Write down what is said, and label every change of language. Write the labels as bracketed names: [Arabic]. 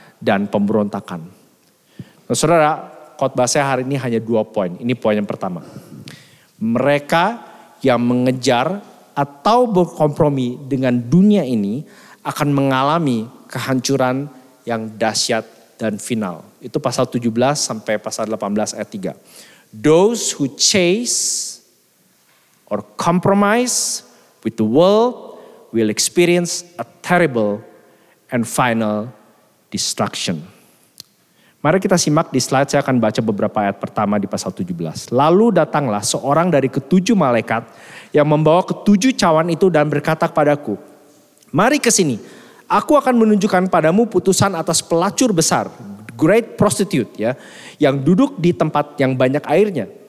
[Indonesian] dan pemberontakan. Nah, saudara, khotbah saya hari ini hanya 2 poin. Ini poin yang pertama. Mereka yang mengejar atau berkompromi dengan dunia ini akan mengalami kehancuran yang dahsyat dan final. Itu pasal 17 sampai pasal 18 ayat 3. [English] Those who chase or compromise with the world will experience a terrible and final destruction. [Indonesian] Mari kita simak di slide, saya akan baca beberapa ayat pertama di pasal 17. Lalu datanglah seorang dari 7 malaikat yang membawa 7 cawan itu dan berkata kepadaku, mari ke sini, aku akan menunjukkan padamu putusan atas pelacur besar, [English] great prostitute [Indonesian] ya, yang duduk di tempat yang banyak airnya.